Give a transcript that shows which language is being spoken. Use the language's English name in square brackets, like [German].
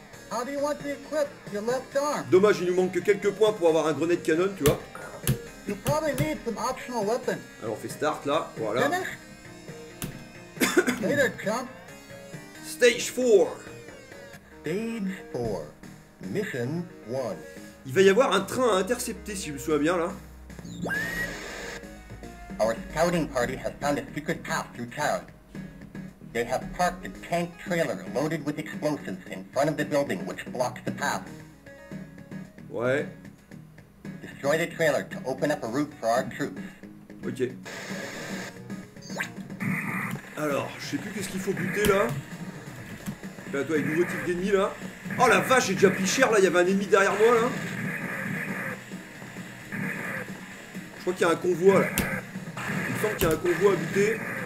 [English] How do you want to equip your left arm? [French] Dommage, il nous manque que quelques points pour avoir un grenade canon, tu vois. [English] You probably need some optional weapons. [French] Alors on fait start là, voilà. [English] Later, chump. Stage 4. Stage 4. Mission 1. [French] Il va y avoir un train à intercepter, si je me souviens bien, là. [English] Our scouting party has found a secret path through town. They have parked a tank trailer loaded with explosives in front of the building which blocks the path. [French] Ouais. [English] Destroy the trailer to open up a route for our troops. [French] Ok. Alors, je sais plus qu'est-ce qu'il faut buter là. Bah toi, il y a un nouveau type d'ennemi là. Oh la vache, j'ai déjà pris cher là, il y avait un ennemi derrière moi là. Je crois qu'il y a un convoi là. Il me semble qu'il y a un convoi à buter.